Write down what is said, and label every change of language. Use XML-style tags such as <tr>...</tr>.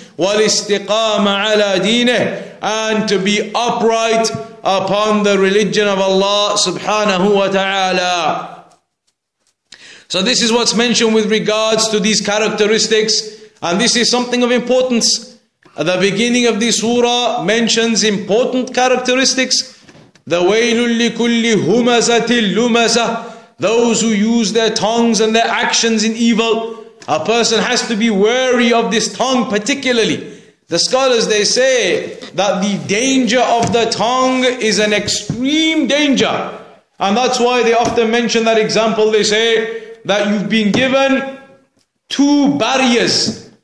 <ar>وَالْإِسْتِقَامَ عَلَى دِينِهِ.</ar> <en>And to be upright upon the religion of Allah subhanahu wa ta'ala. So this is what's mentioned with regards to these characteristics. And this is something of importance. At the beginning of this surah mentions important characteristics.</en> <ar>The وَيْلٌ لِكُلِّ هُمَزَةٍ لُمَزَةٍ.</ar> <en>Those who use their tongues and their actions in evil. A person has to be wary of this tongue particularly. The scholars, they say that the danger of the tongue is an extreme danger. And that's why they often mention that example. They say that you've been given two barriers.</en>